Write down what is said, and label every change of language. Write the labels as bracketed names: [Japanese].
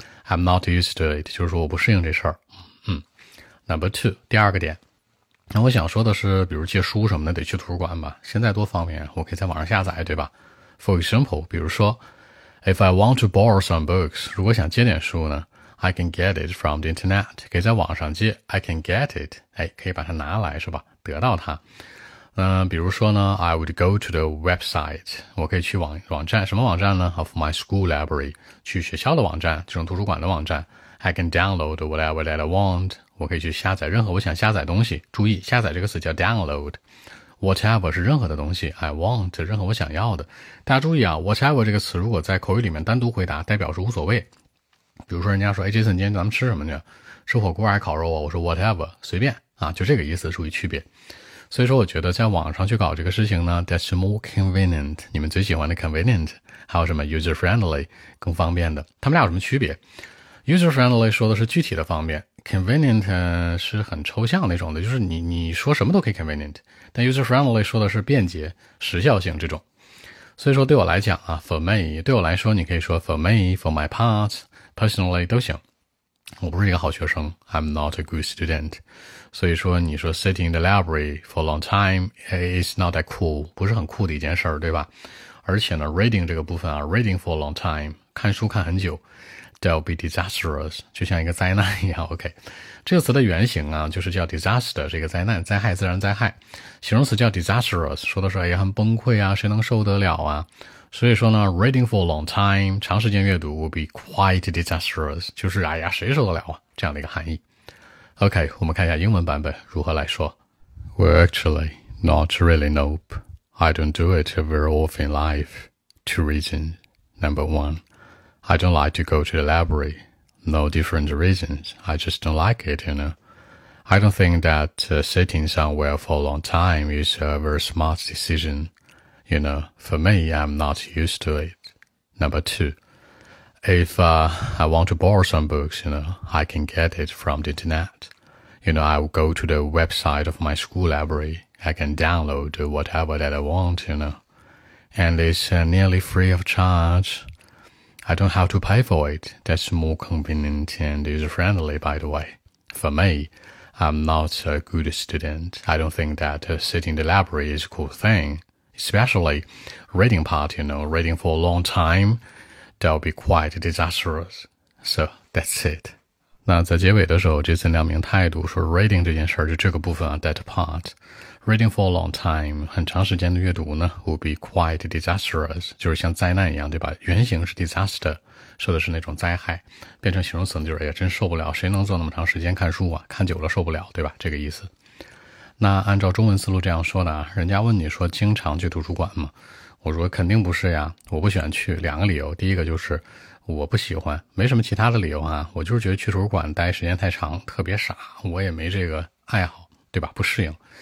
[English] I'm not used to it, [Chinese] 就是说我不适应这事儿。 [English] Number two, 第二个点。 [Chinese] 那我想说的是，比如借书什么的得去图书馆吧。现在多方便，我可以在网上下载，对吧？ [English] For example, 比如说 ,if I want to borrow some books, [Chinese] 如果想借点书呢， [English] I can get it from the internet, [Chinese] 可以在网上借。 [English] I can get it, [Chinese] 哎，可以把它拿来是吧？得到它。 [English] 比如说呢 ，I would go to the website, [Chinese] 我可以去网站，什么网站呢 [English] ？Of my school library, [Chinese] 去学校的网站，这种图书馆的网站。 [English] I can download whatever that I want, [Chinese] 我可以去下载任何我想下载东西。注意，下载这个词叫 download。Whatever 是任何的东西 ，I want 任何我想要的。大家注意啊 ，whatever 这个词如果在口语里面单独回答，代表是无所谓。比如说人家说，哎 ，Jason， 今天咱们吃什么去？吃火锅还是烤肉啊？我说 whatever， 随便啊，就这个意思，注意区别。所以说，我觉得在网上去搞这个事情呢 ， [English] that's more convenient。 [Chinese] 你们最喜欢的 convenient， 还有什么 user friendly， 更方便的，他们俩有什么区别 ？user friendly 说的是具体的方便 ，convenient 是很抽象那种的，就是你说什么都可以 convenient， 但 user friendly 说的是便捷、时效性这种。所以说对我来讲啊 ，for me， 对我来说，你可以说 for me， for my part。Personally, 都行。我不是一个好学生， [English] I'm not a good student. 所以说你说 sitting in the library for a long time is not that cool, [Chinese] 不是很酷的一件事儿，对吧？而且呢 reading 这个部分啊 [English] reading for a long time, [Chinese] 看书看很久 [English] that'll be disastrous, [Chinese] 就像一个灾难一样 ,OK。这个词的原型啊就是叫 disaster, 是一个灾难，灾害，自然灾害。形容词叫 disastrous, 说的是也很崩溃啊，谁能受得了啊。所以说呢 [English] reading for a long time, [Chinese] 长时间阅读 [English] will be quite disastrous, [Chinese] 就是哎呀谁受得了啊，这样的一个含义。 OK, 我们看一下英文版本如何来说。 [English] Well, actually, not really, nope. I don't do it very often in life. Two reasons. Number one, I don't like to go to the library. No different reasons. I just don't like it, you know. I don't think that sitting somewhere for a long time is a very smart decision. You know, for me, I'm not used to it. Number two, if I want to borrow some books, you know, I can get it from the internet. You know, I'll go to the website of my school library. I can download whatever that I want, you know. And it's nearly free of charge. I don't have to pay for it. That's more convenient and user-friendly, by the way. For me, I'm not a good student. I don't think that sitting in the library is a cool thing. Especially reading part, you know, reading for a long time, that'll be quite disastrous. So that's it. [Chinese] 那在结尾的时候，杰森亮明态度说 reading 这件事儿，就这个部分啊 ，that part。 [English] Reading for a long time, [Chinese] 很长时间的阅读呢 [English] will be quite disastrous, [Chinese] 就是像灾难一样，对吧？原型是 disaster, 说的是那种灾害，变成形容词就是，哎呀，真受不了，谁能做那么长时间看书啊？看久了受不了，对吧？这个意思。那按照中文思路这样说的啊，人家问你说经常去图书馆吗？我说肯定不是呀，我不喜欢去，两个理由，第一个就是我不喜欢，没什么其他的理由啊，我就是觉得去图书馆待时间太长，特别傻，我也没这个爱好，对吧？不适应。